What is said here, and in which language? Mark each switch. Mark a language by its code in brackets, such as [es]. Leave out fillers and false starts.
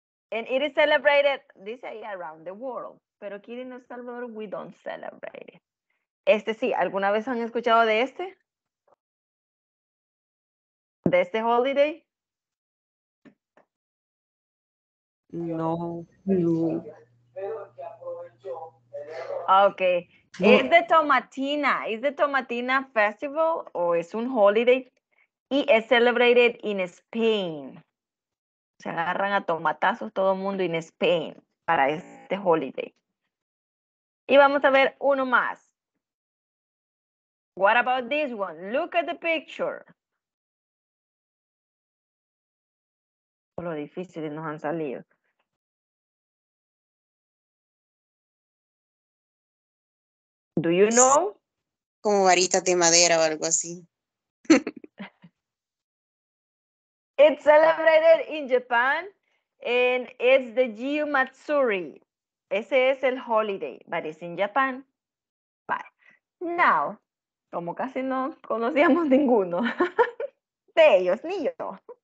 [en] And it is celebrated, [es] dice ahí, [en] around the world. [es] Pero aquí en El Salvador, [en] we don't celebrate it. [es] Este sí, ¿alguna vez han escuchado de este? ¿De este holiday? No. Okay. Es de Tomatina. Es de Tomatina Festival o es un holiday y es [en] celebrated in Spain. [es] Se agarran a tomatazos todo el mundo [en] in Spain [es] para este holiday. Y vamos a ver uno más. [en] What about this one? Look at the picture. [es] Lo difícil nos han salido. [en] Do you know? [es] Como varitas de madera o algo así. [en] It's celebrated in Japan and it's the Gyu Matsuri. [es] Ese es el [en] holiday, but it's in Japan. Bye. [es] Now, como casi no conocíamos ninguno de ellos, ni yo.